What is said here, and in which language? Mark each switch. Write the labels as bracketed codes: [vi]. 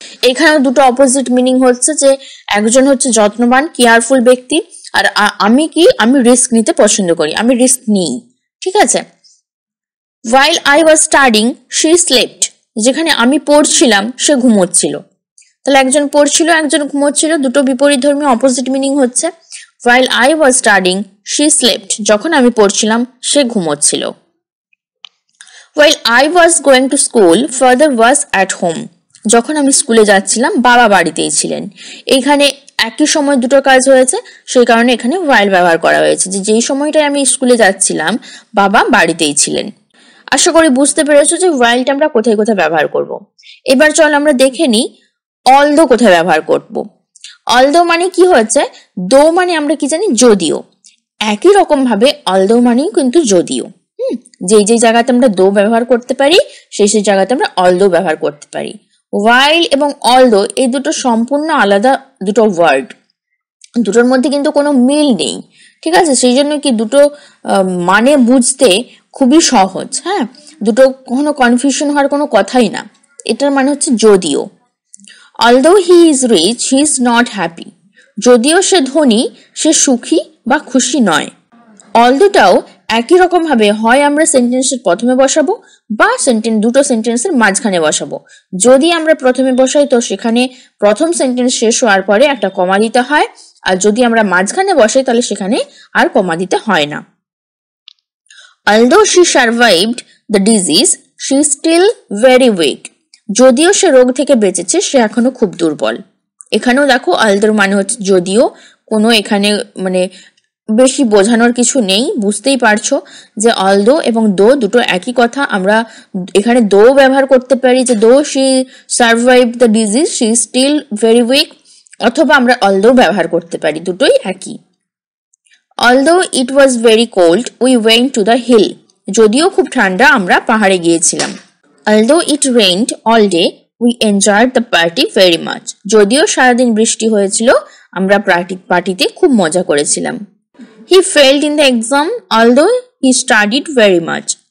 [bn] এখানে দুটো opposite meaning হচ্ছে, যে একজন হচ্ছে যত্নবান কেয়ারফুল ব্যক্তি, আর আমি কি, আমি রিস্ক নিতে পছন্দ করি, আমি রিস্ক নিই। ঠিক আছে, [en] While I was studying she slept. [bn] যেখানে আমি পড়ছিলাম, সে ঘুমোচ্ছিল। তাহলে একজন পড়ছিল, একজন ঘুমোচ্ছিল, দুটো বিপরীত ধর্মী অপোজিট মিনিং হচ্ছে। [en] While I was studying, she slept. [bn] যখন আমি পড়ছিলাম, সে ঘুমোচ্ছিল। [en] While I was going to school, father was at home. [bn] যখন আমি স্কুলে যাচ্ছিলাম, বাবা বাড়িতেই ছিলেন। এখানে একই সময় দুটো কাজ হয়েছে, সেই কারণে এখানে while ব্যবহার করা হয়েছে, যে যেই সময়টায় আমি স্কুলে যাচ্ছিলাম, বাবা বাড়িতেই ছিলেন। আশা করি বুঝতে পেরেছো যে while-টা আমরা কোথায় কোথায় ব্যবহার করব। এবার চল আমরা দেখে নিই অলদো কোথায় ব্যবহার করব। অলদো মানে কি হচ্ছে, দো মানে আমরা কি জানি, যদিও। একই রকম ভাবে অলদো মানে কিন্তু যদিও। যেই যেই জায়গাতে আমরা দো ব্যবহার করতে পারি, সেই সেই জায়গাতে আমরা অলদো ব্যবহার করতে পারি। ওয়াইল এবং অলদো এই দুটো সম্পূর্ণ আলাদা দুটো ওয়ার্ড, দুটোর মধ্যে কিন্তু কোনো মিল নেই। ঠিক আছে, সেই জন্য কি দুটো মানে বুঝতে খুবই সহজ। হ্যাঁ, দুটো কোনো কনফিউশন হওয়ার কোনো কথাই না। এটার মানে হচ্ছে যদিও। [en] Although he is rich, he is not happy. [bn] যদিও সে ধনী, সে সুখী বা খুশি নয়। অলদোটাও একই রকম ভাবে হয় আমরা সেন্টেন্সের প্রথমে বসাবো, বা সেন্টেন্স দুটো সেন্টেন্সের মাঝখানে বসাবো। যদি আমরা প্রথমে বসাই, তো সেখানে প্রথম সেন্টেন্স শেষ হওয়ার পরে একটা কমা দিতে হয়, আর যদি আমরা মাঝখানে বসাই তাহলে সেখানে আর কমা দিতে হয় না। [en] Although she survived the disease, she is still very weak. [bn] যদিও সে রোগ থেকে বেঁচেছে সে এখনো খুব দুর্বল। এখানেও দেখো আলদোর মানে হচ্ছে যদিও, কোনো এখানে মানে বেশি বোঝানোর কিছু নেই, বুঝতেই পারছো যে অলদো এবং দো দুটো একই কথা। আমরা এখানে দো ব্যবহার করতে পারি যে [en] though she survive the disease she still very weak, [bn] অথবা আমরা অলদো ব্যবহার করতে পারি, দুটোই একই। [en] although it was very cold we went to the hill, [bn] যদিও খুব ঠান্ডা আমরা পাহাড়ে গিয়েছিলাম। [en] although it rained all day we enjoyed the party very much, [bn] যদিও সারাদিন বৃষ্টি হয়েছিল আমরা পার্টিতে খুব মজা করেছিলাম। [en] He failed in the exam, although he studied very much.